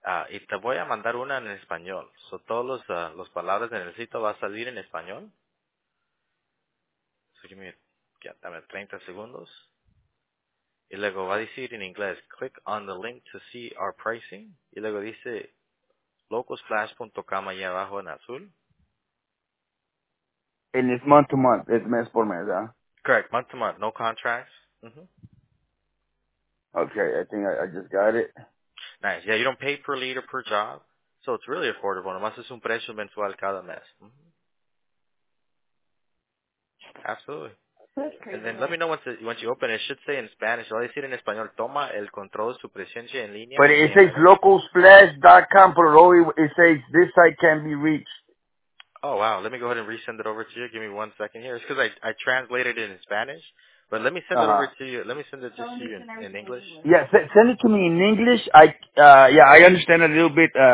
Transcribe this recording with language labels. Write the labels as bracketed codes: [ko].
[es] Y te voy a mandar una en español. So, todos los palabras en el sitio va a salir en español. So, dame 30 segundos. Y luego va a decir en inglés, [en] click on the link to see our pricing. [es] Y luego dice, localsplash.com ahí abajo en azul. [en] And it's month to month, it's [es] mes por mes, [en] huh? Correct, month to month, no contracts. Okay, I think I just got it. Nice, yeah, you don't pay per lead or per job, so it's really affordable. [es] Nomás es un precio mensual cada mes. [en] Absolutely. And then let me know once you open it. It should say in Spanish. [es] Voy a decir en español, toma el control de su presencia en línea. [en] But it says localsplash.com, but it says this site can be reached. Oh, wow. Let me go ahead and resend it over to you. Give me one second here. It's because I translated it in Spanish. But let me send it over to you. Let me send it to you in English. Yeah, send it to me in English. I understand a little bit.